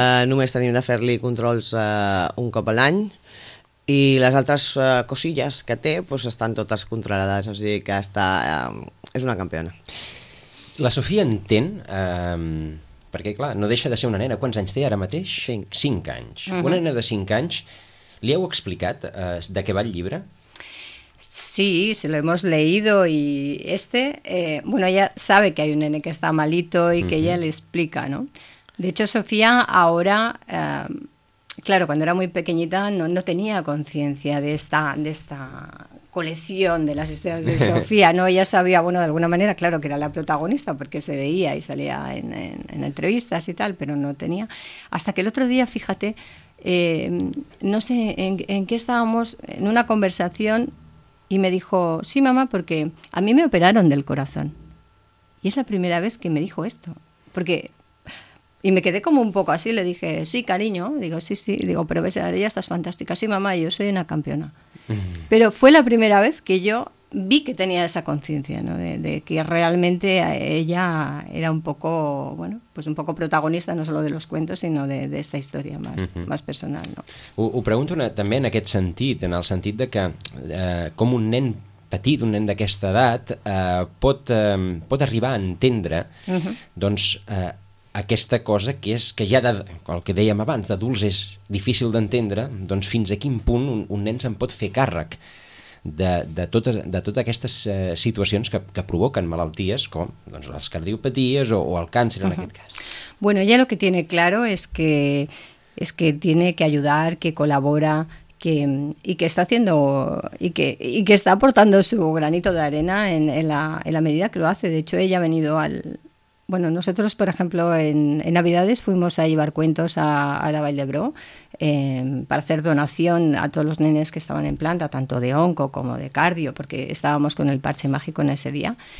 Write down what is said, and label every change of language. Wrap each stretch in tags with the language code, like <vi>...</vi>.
<ca>Només tenim de fer-li controls un cop a l'any. I les altres cosilles que té, pues, estan totes controlades. O sigui que està, és una campiona. La Sofia entén, perquè clar, no deixa de ser una nena. Quants anys té ara mateix? 5. 5 anys. Uh-huh. Una nena de 5 anys, li heu explicat de què va el llibre?</ca> <es>Sí, se lo hemos leído y este, bueno, ella sabe que hay un nene que está malito y que ella le explica, ¿no? De hecho, Sofía ahora, claro, cuando era muy pequeñita no tenía conciencia de esta colección de las historias de Sofía, ¿no? Ella sabía, bueno, de alguna manera, claro, que era la protagonista porque se veía y salía en entrevistas y tal, pero no tenía. Hasta que el otro día, fíjate, no sé en qué estábamos, en una conversación. Y me dijo, sí, mamá, porque a mí me operaron del corazón. Y es la primera vez que me dijo esto. Porque, y me quedé como un poco así, le dije, sí, cariño. Digo, sí, sí. Digo, pero ves, ya estás fantástica. Sí, mamá, yo soy una campeona. Pero fue la primera vez que yo vi que tenía esa conciencia, ¿no? De que realmente ella era un poco, bueno, pues un poco protagonista, no solo de los cuentos, sino de esta historia más, más personal, ¿no?</es> <ca>Ho pregunto també en aquest sentit, en el sentit de que com un nen petit, un nen d'aquesta edat, pot arribar a entendre, doncs, aquesta cosa que és que ja, el que dèiem abans, d'adults és difícil d'entendre, doncs fins a quin punt un nen se'n pot fer càrrec de totes aquestes situacions que provoquen malalties com doncs, les cardiopaties o el càncer en aquest cas.</ca> <es>Bueno, ella lo que tiene claro es que tiene que ayudar, que colabora, que está haciendo y que está aportando su granito de arena en la medida que lo hace. De hecho, ella ha venido al... Bueno, nosotros, por ejemplo, en Navidades fuimos a llevar cuentos a la Vall d'Hebron para hacer donación a todos los nenes que estaban en planta, tanto de onco como de cardio, porque estábamos con el parche mágico en ese día.</es>